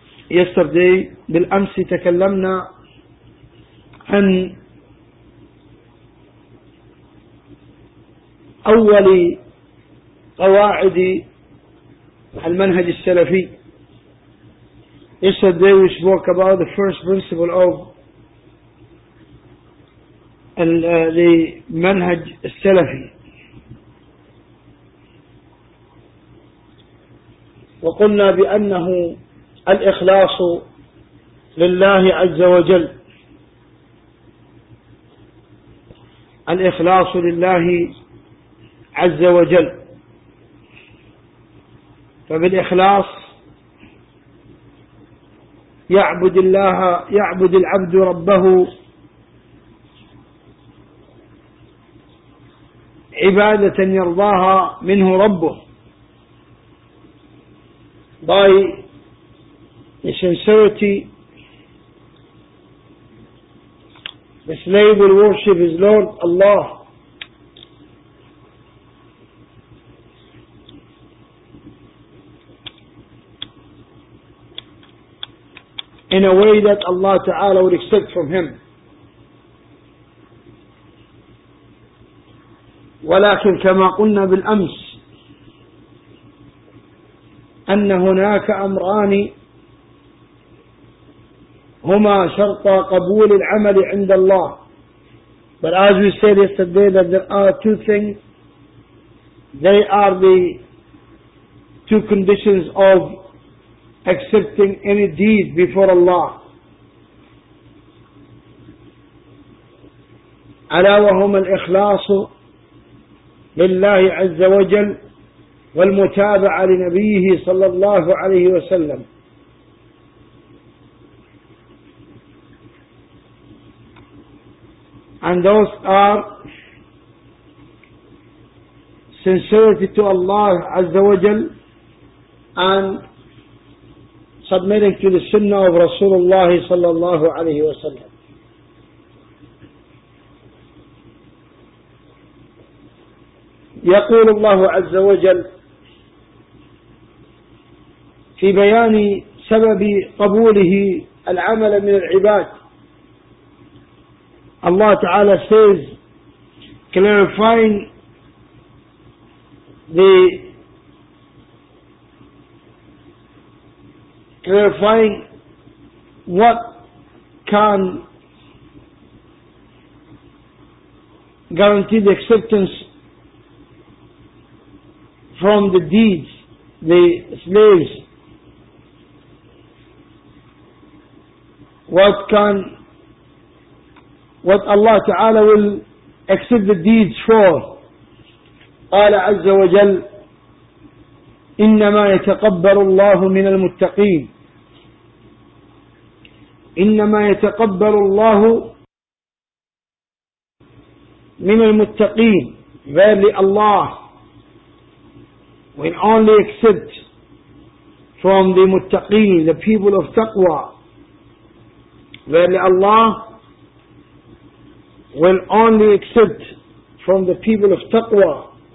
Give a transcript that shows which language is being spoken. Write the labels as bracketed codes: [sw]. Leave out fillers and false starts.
[en] Yesterday, [ar] بالأمس تكلمنا عن أول قواعد المنهج السلفي. [en] Yesterday we spoke about the first principle of the منهج السلفي. [ar] وقلنا بأنه الإخلاص لله عز وجل. الإخلاص لله عز وجل. فبالإخلاص يعبد الله، يعبد العبد ربه عبادة يرضاها منه ربه. [en] By the sincerity, the slave will worship his Lord Allah. In a way that Allah Ta'ala would accept from him. [ar] ولكن كما قلنا بالأمس أن هناك أمران هما شرط قبول العمل عند الله. [en] But as we said yesterday that there are two things, they are the two conditions of accepting any deed before Allah. [ar] ألا وهما الإخلاص لله عز وجل والمتابعة لنبيه صلى الله عليه وسلم. [en] And those are sincerity to Allah عز وجل and submitting to the sunnah of Rasulullah sallallahu alayhi wa sallam. [ar] يقول الله عز وجل في بيان سبب قبوله العمل من العباد. [en] الله تعالى says, clarifying the clarifying what can guarantee the acceptance from the deeds, the slaves, what Allah Ta'ala will accept the deeds for. [ar] قال عز وجل إنما يتقبل الله من المتقين. إنما يتقبل الله من المتقين. [en] Verily Allah will only accept from the muttaqeen, the people of taqwa. Verily Allah will only accept from the people of taqwa.